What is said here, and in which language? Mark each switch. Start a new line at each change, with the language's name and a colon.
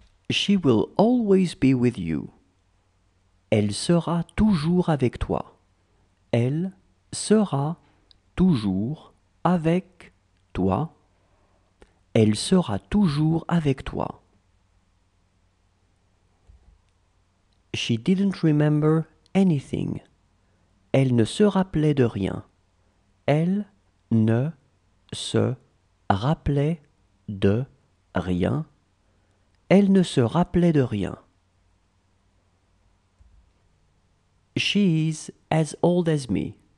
English: She will always be with you.
French: Elle sera toujours avec toi. Elle sera toujours avec toi. Elle sera toujours avec toi.
English: She didn't remember anything.
French: Elle ne se rappelait de rien. Elle ne se rappelait de rien. Elle ne se rappelait de rien.
English: She is as old as me.